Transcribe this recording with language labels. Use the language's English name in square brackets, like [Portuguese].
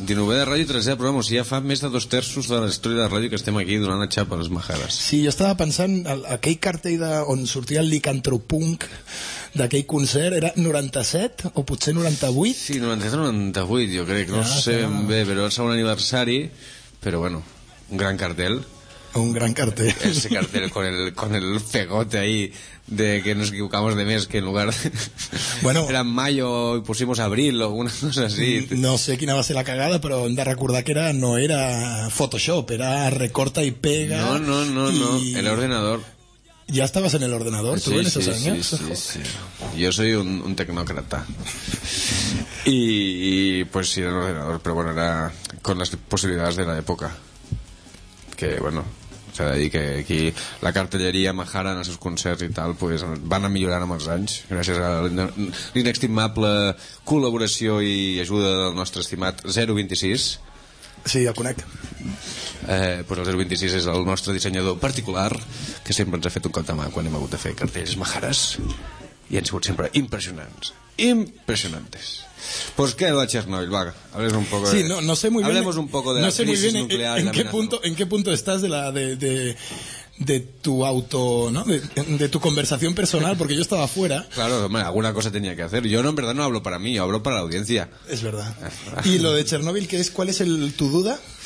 [Catalan] 19è de ràdio i 13è de programa. O sigui, ja fa més de dos terços de la història de la ràdio que estem aquí donant a xapa a les Majares. Sí, jo estava pensant, aquell cartell on sortia el licantropunk d'aquell concert, era 97 o potser 98? Sí, 97-98, jo crec, no sé ben bé, però el segon aniversari, però bueno, un gran cartell. Un gran cartell. [Spanish] Ese cartell con el pegote ahí de que nos equivocamos de mes, que en lugar de... Bueno, era en mayo y pusimos abril o una cosa así. [Catalan] No sé quina va ser la cagada, però hem de recordar que no era Photoshop, [Spanish] era recorta y pega. No, el ordenador. ¿Ya estabas en el ordenador tú en esos años? Sí. Yo soy un tecnócrata. Y pues sí, el ordenador, pero bueno, era con las posibilidades de la época. [Catalan] Que bueno, s'ha de dir que aquí la cartelleria Majara en els seus concerts i tal pues, van a millorar amb els anys gràcies a l'inestimable col·laboració i ajuda del nostre estimat 026. Sí, el conec. Pues el 026 és el nostre dissenyador particular que sempre ens ha fet un cop de mà quan hem hagut de fer cartells majares i han sigut sempre impressionants. [Spanish] Impressionantes. Pues qué va Chernobyl, va. Hablemos un poco. Sí, no sé muy bien. Hablemos un poco de la crisis nuclear. ¿En qué punto estás de la de tu auto, ¿no? De tu conversación personal, porque yo estaba fuera. Claro, hombre, alguna cosa tenía que hacer. Yo no, en verdad no hablo para mí, yo hablo para la audiencia. Es verdad. ¿Y lo de Chernobyl qué es? ¿Cuál es tu duda?